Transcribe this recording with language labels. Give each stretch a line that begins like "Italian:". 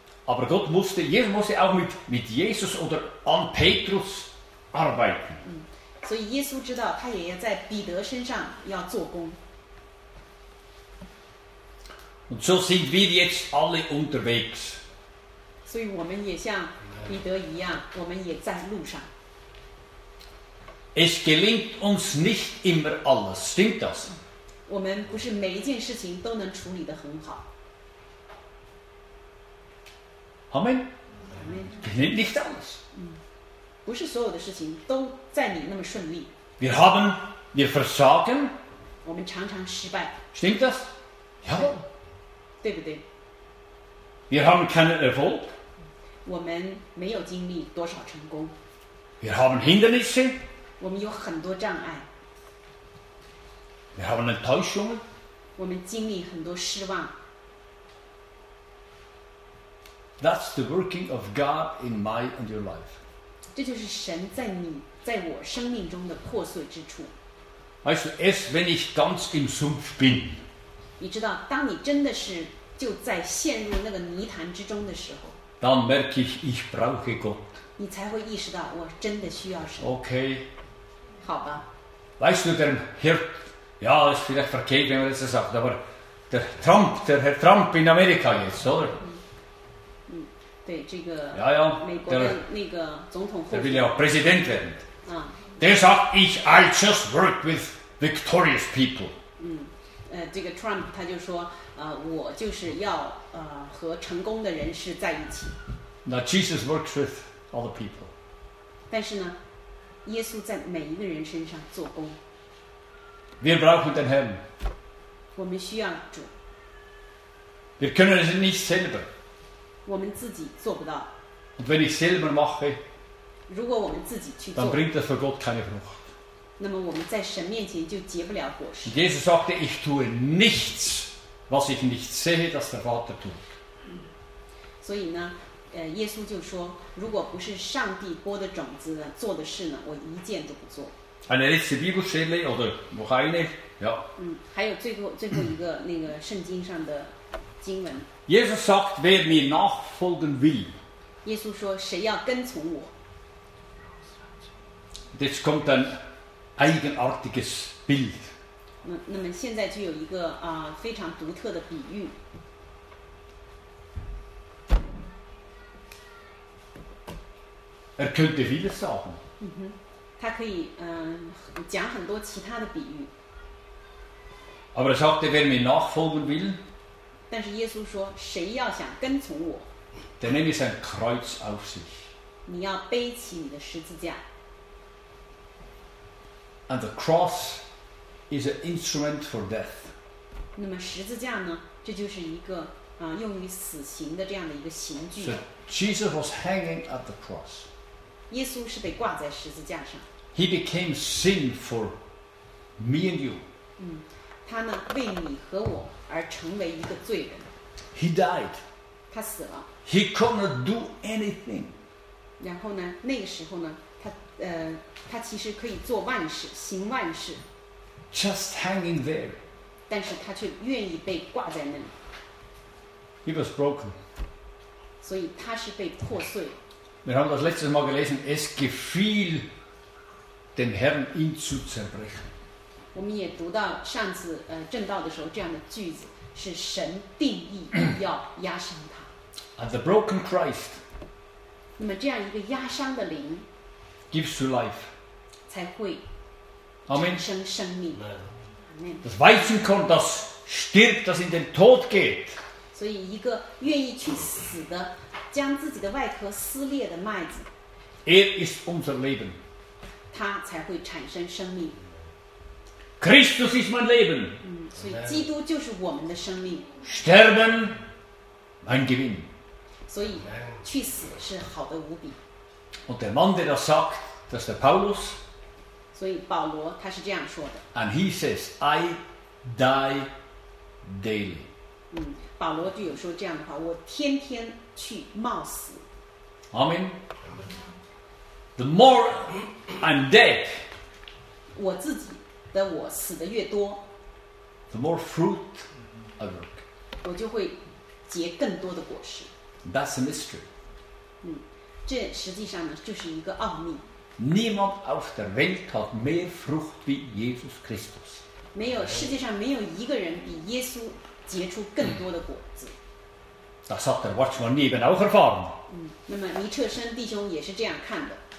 German: Aber Gott musste, Jesus musste auch mit Jesus oder an Petrus arbeiten.
Chinese: 所以耶稣知道他也要在彼得身上要做工。
German: Und so sind wir jetzt alle unterwegs.
Chinese: 所以我们也像彼得一样，我们也在路上。
German: Es gelingt uns nicht immer alles, stimmt das?
Chinese: 我们不是每一件事情都能处理得很好。
German: Amen. Gelingt nicht alles.
Chinese: 不是所有的事情都在你那么顺利。
German: Wir versagen.
Chinese: 我们常常失败。
German: Stimmt das? Ja.
Chinese: 对不对？
German: Wir haben keinen Erfolg.
Chinese: 我们没有经历多少成功。
German: Wir haben Hindernisse.
Chinese: 我们有很多障碍。
German: Wir haben Enttäuschungen.
Chinese: 我们经历很多失望。
English: That's the working of God in my and your life.
Chinese: 这就是神在你在我生命中的破碎之处。
German: Weißt du, erst wenn ich ganz im Sumpf bin.
Chinese: 你知道，当你真的是就在陷入那个泥潭之中的时候，
German: dann merke ich, ich brauche Gott.
Chinese: 你才会意识到我真的需要神。 OK，好吧。
German: Weißt du denn hier? Ja, ist vielleicht verkehrt, wenn man das sagt, aber der Trump, der Herr Trump in Amerika jetzt, oder?
Chinese: 对这个，
German: ja, ja,
Chinese: 美国的 der, 那个总统候选人
German: ，der will ja Präsident werden. Der sagt, ich
English: I just work with victorious people.
Chinese: 这个 Trump 他就说，我就是要和成功的人士在一起。
English: Now Jesus works with all the people.
Chinese: 但是呢，耶稣在每一个人身上做工。
German: Wir brauchen den Herrn.
Chinese: 我们需要主。
German: Wir können es nicht selber.
Chinese: 我们自己做不到。
German: Und wenn ich selber mache,
Chinese: 如果我们自己去做，
German: dann bringt das für Gott keine Frucht.
Chinese: 那么我们在神面前就结不了果实。
German: Und Jesus sagte, ich tue nichts, was ich nicht sehe, dass der Vater tut.
Chinese: 所以呢，耶稣就说，如果不是上帝播的种子呢，做的事呢，我一件都不做。
German: Eine letzte Bibelstelle oder noch eine? Ja.
Chinese: 还有最后一个那个圣经上的经文。
German: Jesus sagt, wer mir nachfolgen will.
Chinese: Jesus 说谁要跟从我。
German: Jetzt kommt ein eigenartiges Bild.
Chinese: 那么现在就有一个非常独特的比喻。
German: Könnte vieles sagen.
Chinese: 他可以讲很多其他的比喻。
German: Aber sagte, wer mir nachfolgen will.
Chinese: 但是耶稣说，谁要想跟从我
German: ，Der nimmt sein Kreuz auf sich.
Chinese: 你要背起你的十字架。
English: And the cross is an instrument for death.
Chinese: 那么十字架呢？这就是一个用于死刑的这样的一个刑具。
English: So Jesus was hanging at the cross.
Chinese: 耶稣是被挂在十字架上。
English: He became sin for me and you.
Chinese: 他呢，为你和我。而成为一个罪人。
English: He died.
Chinese: 他死了。
English: He could not do anything.
Chinese: 然后呢，那个时候呢，他其实可以做万事，行万事。
English: Just hanging there.
Chinese: 但是他却愿意被挂在那里。
English: He was broken.
Chinese: 所以他是被破碎。
German: Wir haben das letzte Mal gelesen, es gefiel dem Herrn, ihn zu zerbrechen.
Chinese: 我们也读到上次正道的时候这样的句子，是神定义要压伤他。
English: And the broken Christ.
Chinese: 那么这样一个压伤的灵
English: ，gives you life.
Chinese: 才会产生生命。 Amen.
German: Das Weizenkorn, das stirbt, das in den Tod geht.
Chinese: 所以一个愿意去死的，将自己的外壳撕裂的麦子
German: ，er ist unser Leben.
Chinese: 它才会产生生命。
German: Christus ist mein Leben.
Chinese: 所以基督就是我们的生命。
German: Sterben, mein Gewinn.
Chinese: 所以去死是好的无比。
German: Und der Mann, der das sagt, das ist der Paulus.
Chinese: 所以保罗他是这样说的。
English: And he says, I die daily.
Chinese: 保罗就有说这样的话，我天天去冒死。
English: Amen. The more I'm dead.
Chinese: 我自己。的我死的越多
English: ，the more fruit I work，
Chinese: 我就会结更多的果实。
English: That's a mystery。
Chinese: 这实际上呢就是一个奥秘。
German: Niemand auf der Welt hat mehr Frucht wie Jesus Christus。
Chinese: 没有，世界上没有一个人比耶稣结出更多的果子。
German: Das hat der Watchman eben auch erfahren。
Chinese: 那么尼彻森弟兄也是这样看的。